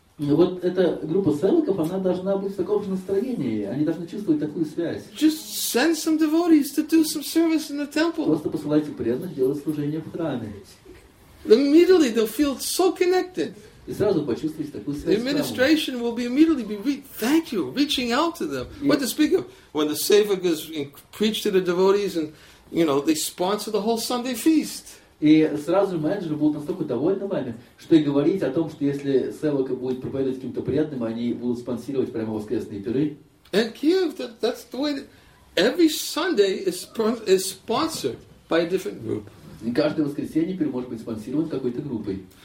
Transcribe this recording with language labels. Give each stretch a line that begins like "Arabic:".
Russian: Вот эта группа сэвоков, она должна быть в таком же настроении. Они должны чувствовать такую связь.
English: Just send some devotees to do some service in the temple.
Russian: Просто посылайте преданных делать служение в храме.
English: Immediately they'll feel so connected.
Russian: И сразу почувствуете такую связь.
English: The administration will be immediately be thank you, reaching out to them. What to speak of when the sevakas preach to the devotees and you know, they sponsor the whole Sunday feast.
Russian: И сразу менеджеры будут настолько довольны вами, что и говорить о том, что если Севака будет проповедовать каким-то преданным, они будут спонсировать прямо воскресные пиры.
English: And Kiev, that's the way that every Sunday is sponsored by a different group.
Russian: И каждое воскресенье теперь может быть спонсирован какой-то группой.